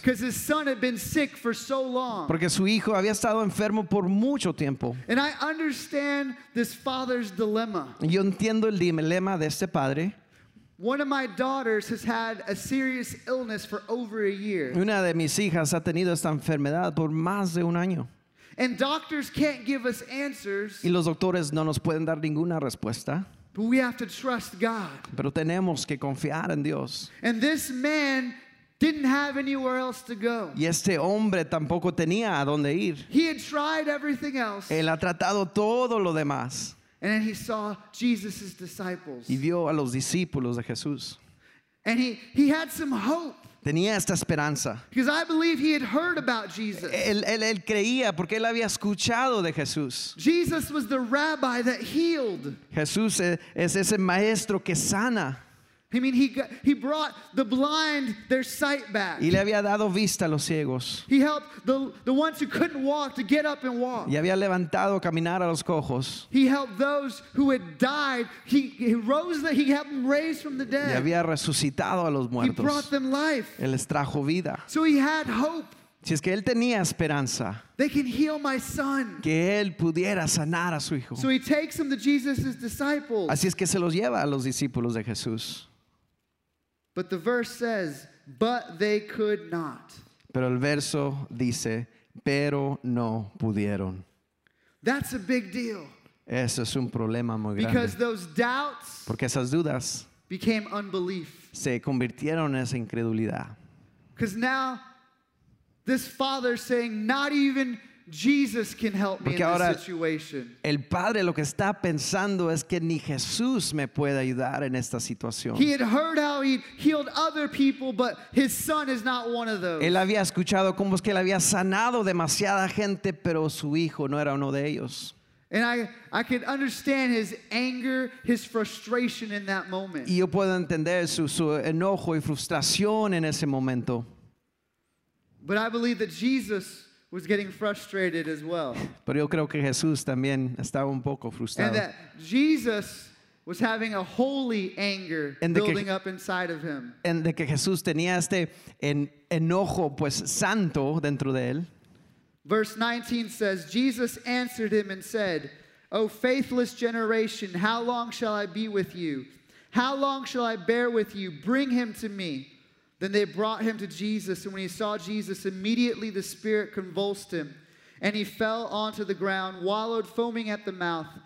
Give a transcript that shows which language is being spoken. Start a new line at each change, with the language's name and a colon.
English: Because his son had been sick for so long.
Spanish: Porque su hijo había estado enfermo por mucho tiempo.
English: And I understand this father's dilemma.
Spanish: Yo entiendo el dilema de este padre.
English: One of my daughters has had a serious illness for over a year.
Spanish: Una de mis hijas ha tenido esta enfermedad por más de un año.
English: And doctors can't give us answers.
Spanish: Y los doctores no nos pueden dar ninguna respuesta.
English: But we have to trust God.
Spanish: Pero tenemos que confiar en Dios.
English: And this man didn't have anywhere else to go.
Spanish: Y este hombre tampoco tenía a dónde ir.
English: He had tried everything else.
Spanish: Él ha tratado todo lo demás.
English: And then he saw Jesus' disciples.
Spanish: Y vio a los discípulos de Jesús.
English: And he had some hope.
Spanish: Tenía esta esperanza.
English: Because I believe he had heard about Jesus.
Spanish: Él creía porque él había escuchado de Jesús.
English: Jesus was the rabbi that healed.
Spanish: Jesús es ese maestro que sana.
English: I mean, he brought the blind their sight back.
Spanish: Y le había dado vista a los ciegos.
English: He helped the ones who couldn't walk to get up and walk.
Spanish: Y había levantado caminar a los cojos.
English: He helped those who had died. He helped them raise from the dead.
Spanish: Y había resucitado a los muertos.
English: He brought them life.
Spanish: Él les trajo vida.
English: So he had hope.
Spanish: Si es que él tenía esperanza.
English: They can heal my son.
Spanish: Que él pudiera sanar a su hijo.
English: So he takes them to Jesus' disciples.
Spanish: Así es que se los lleva a los discípulos de Jesús.
English: But the verse says, "But they could not."
Spanish: Pero el verso dice, "Pero no pudieron."
English: That's a big deal.
Spanish: Eso es un problema muy grande.
English: Because those doubts,
Spanish: porque esas dudas,
English: became unbelief.
Spanish: Se convirtieron en esa incredulidad.
English: Because now, this father saying, "Not even Jesus can help me
Spanish: porque
English: in
Spanish: ahora,
English: this situation."
Spanish: El padre lo que está pensando es que ni Jesús me puede ayudar en esta situación.
English: He had heard how he healed other people, but his son is not one of those.
Spanish: Él había escuchado cómo es que él había sanado demasiada gente, pero su hijo no era uno de ellos.
English: And I could understand his anger, his frustration in that moment.
Spanish: Y yo puedo entender su enojo y frustración en ese momento.
English: But I believe that Jesus was getting frustrated as well.
Spanish: Pero yo creo que Jesús también estaba un poco frustrado.
English: And that Jesus was having a holy anger building up inside of him.
Spanish: En de que Jesús tenía este enojo pues santo dentro de él.
English: Verse 19 says, Jesus answered him and said, O faithless generation, how long shall I be with you? How long shall I bear with you? Bring him to me. Then they brought him to Jesus, and when he saw Jesus, immediately the spirit convulsed him, and he fell onto the ground, wallowed, foaming at the mouth.